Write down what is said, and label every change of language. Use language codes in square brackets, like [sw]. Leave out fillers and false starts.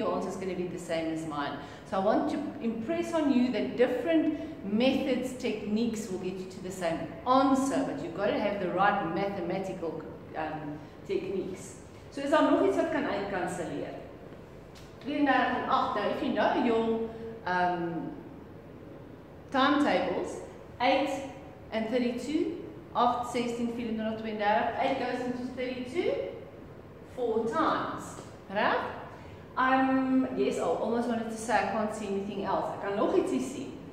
[en] Your answer is going to be the same as mine. So I want to impress on you that different methods, techniques will get you to the same answer. But you've got to have the right mathematical techniques. [af] So is daar nog iets wat kan uitkanselleer? 32 en 8. [en] Now, if you know your timetables, 8 and 32, 8, 16, 24, 32, 8 goes into 32, 4 times. Right? Yes, I almost wanted to say I can't see anything else. I can [af] nog iets [en] see.